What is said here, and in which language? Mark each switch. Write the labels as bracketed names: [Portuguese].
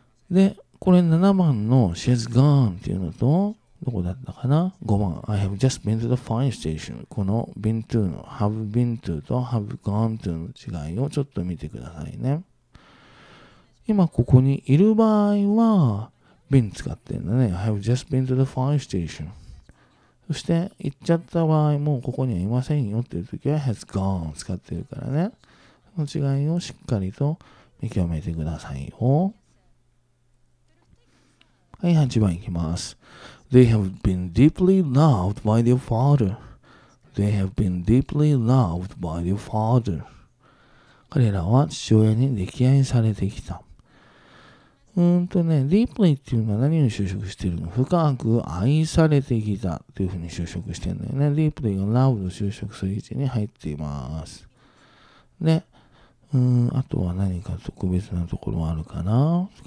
[Japanese] で、これ7番の [English] She's gone [Japanese] っていうのと、どこだったかな、5番、 [English] I have just been to the fire station。 [Japanese] この been to の [English] have been to [Japanese] と [English] have gone to [Japanese] の違いをちょっと見てくださいね。今ここにいる場合は been 使ってるんだね。 [English] I have just been to the fire station。 [Japanese] そして行っちゃった場合もここにはいませんよっていう時は [English] has gone [Japanese] 使ってるからね。その違いをしっかりと見極めてくださいよ。はい、8番いきます。 [English] They have been deeply loved by their father. They have been deeply loved by their father. [Japanese] 彼らは父親に溺愛されてきた。deeply っていうのは何に就職してるの？深く愛されてきたっていうふうに就職してるんだよね。 deeply が love を就職する位置に入っています。で、あとは何か特別なところあるかな？